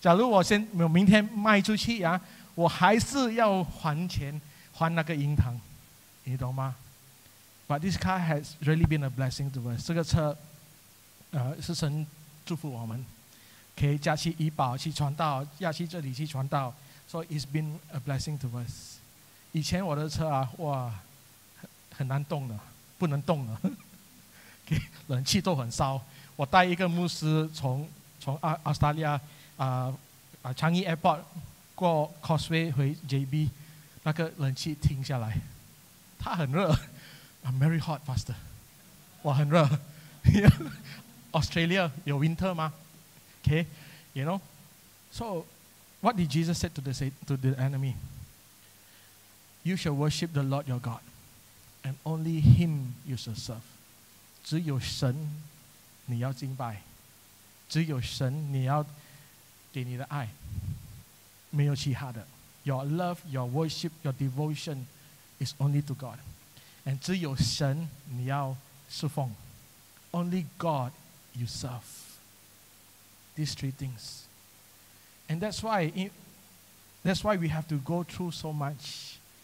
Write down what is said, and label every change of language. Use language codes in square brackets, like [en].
[zh] 假如我明天卖出去, 我还是要还钱, 还那个银行, 你懂吗? [en] But this car has really been a blessing to us. [zh] 这个车, 是神祝福我们, 可以驾去医保去传道, 驾去这里去传道, [en] so it's been a blessing to us. [zh] 以前我的车, 哇, 很难动的, 不能动的, 冷气都很烧, 我带一个牧师, 从 Australia, Changi Airport, 过 Causeway 回 JB, 那个冷气停下来, 它很热, [en] I'm very hot, Pastor. [zh] 我很热. [en] Australia, 有 winter 吗?Okay, you know? So, what did Jesus say to the enemy? You shall worship the Lord your God, and only Him you shall serve. [zh] 只有神你要敬拜, 只有神你要给你的爱, 没有其他的. [en] Your love, your worship, your devotion is only to God. And [zh] 只有神你要侍奉, [en] only God you serve. These three things. And that's why we have to go through so much.